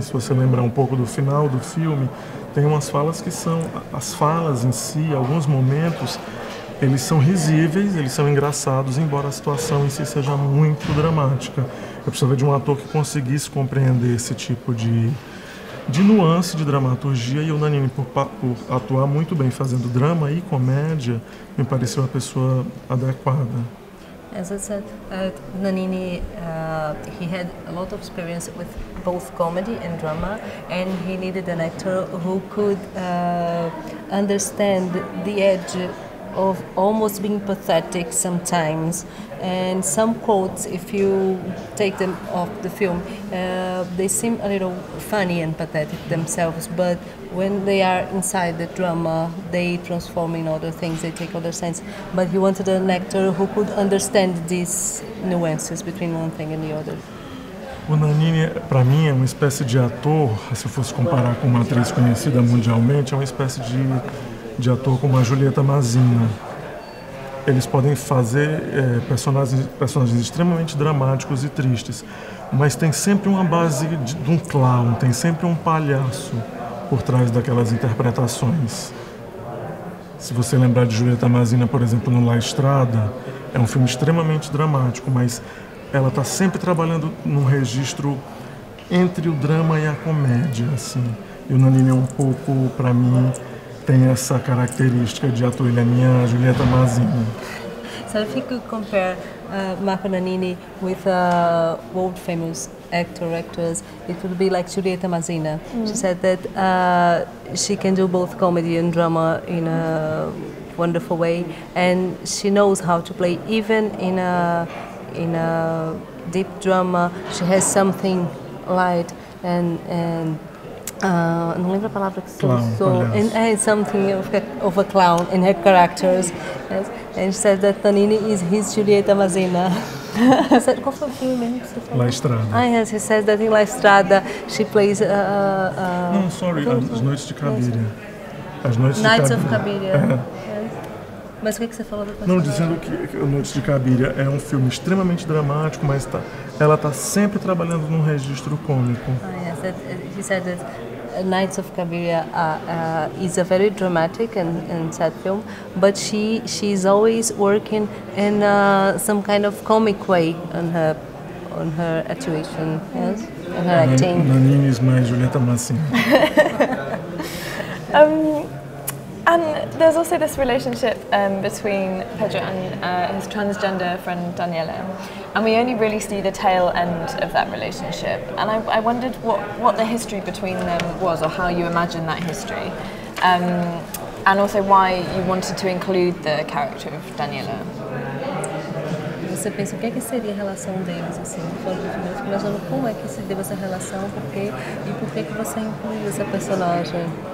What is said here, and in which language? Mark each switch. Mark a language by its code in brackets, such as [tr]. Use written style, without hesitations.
[pt] Se você lembrar um pouco do final do filme, tem umas falas que são, as falas em si, alguns momentos, eles são risíveis, eles são engraçados, embora a situação em si seja muito dramática. Eu precisava de um ator que conseguisse compreender esse tipo de nuance de dramaturgia, e o Nannini, por atuar muito bem fazendo drama e comédia, me pareceu a pessoa adequada. [en] As I said, Nannini, he had a lot of experience with both comedy and drama, and he needed an actor who could understand the edge of almost being pathetic sometimes. And some quotes, if you take them off the film, they seem a little funny and pathetic themselves, but when they are inside the drama, they transform in other things, they take other sense. But he wanted an actor who could understand these nuances between one thing and the other. [pt] O Nannini, para mim, é uma espécie de ator, se eu fosse comparar com uma atriz conhecida mundialmente, é uma espécie de ator como a Julieta Mazzini. Eles podem fazer personagens extremamente dramáticos e tristes, mas tem sempre uma base de um clown, tem sempre um palhaço por trás daquelas interpretações. Se você lembrar de Julieta Mazzini, por exemplo, no La Estrada, é um filme extremamente dramático, mas ela está sempre trabalhando num registro entre o drama e a comédia, assim. E o Nannini é um pouco, para mim, tem essa característica de ator. Ele é minha Julieta Mazzini. [en] So if you could compare Marco Nannini with a world famous actor, actress, it would be like Julieta Mazzini. Mm. She said that she can do both comedy and drama in a wonderful way, and she knows how to play even in a deep drama. She has something light and [pt] não lembro a palavra que [en] something of a clown in her characters. Yes. And she said that Nannini is his Julieta Mazzini. [pt] Qual foi o filme mesmo que você falou? La Estrada. [en] Ah, yes, he says that in La Estrada she plays [pt] As Noites de Cabiria. Yes. As Noites [en] Nights [pt] de Cabiria. [en] Of Cabiria. [pt] Mas o que você falou depois? Não, dizendo que Noites de Cabiria é um filme extremamente dramático, mas ela está sempre trabalhando num registro cômico. [en] Ah, yes, that, he said that Nights of Cabiria is a very dramatic and sad film, but she is always working in some kind of comic way on her attuition, yes, on her acting. Nannini is my Julieta Mazzini. And there's also this relationship between Pedro and his transgender friend Daniela, and we only really see the tail end of that relationship. And I wondered what the history between them was, or how you imagine that history, and also why you wanted to include the character of Daniela. [pt] Você pensa o que seria a relação deles assim? Imaginando como é que se deu essa relação, por que você incluiu essa personagem?